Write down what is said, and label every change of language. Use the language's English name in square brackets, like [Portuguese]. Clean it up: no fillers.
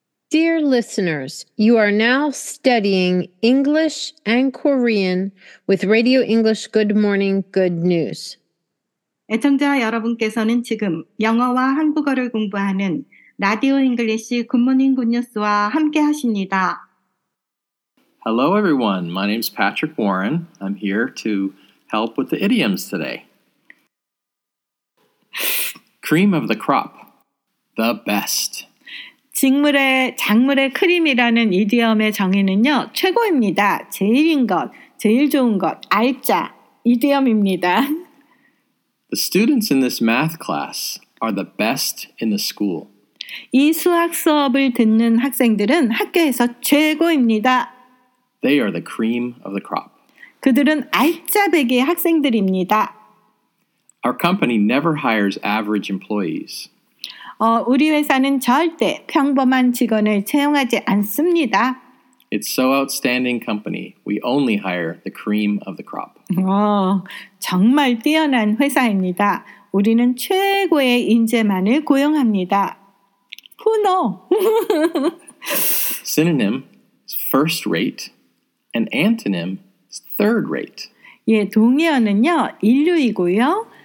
[English] Dear listeners, you are now studying English and Korean with Radio English Good Morning Good News. [Korean] 애청자 여러분께서는 지금 영어와 한국어를 공부하는 라디오 잉글리시 굿모닝 굿뉴스와 함께 하십니다. [English] Hello everyone, my name is Patrick Warren. I'm here to help with the idioms today. Cream of the crop, the best. [Korean] 직물의 작물의 크림이라는 이디엄의 정의는요, 최고입니다. 제일인 것, 제일 좋은 것, 알짜, 이디엄입니다. [English] The students in this math class are the best in the school. [Korean] 이 수학 수업을 듣는 학생들은 학교에서 최고입니다. [English] They are the cream of the crop. [Korean] 그들은 알짜배기 학생들입니다. [English] Our company never hires average employees. [Korean] 우리 회사는 절대 평범한 직원을 채용하지 않습니다. [English] It's so outstanding company. We only hire the cream of the crop. [Korean] 정말 뛰어난 회사입니다. 우리는 최고의 인재만을 고용합니다. [English] Who knows? Synonym is first rate. An antonym is third rate. [Korean] 예, 동의어는요, 일류이고요.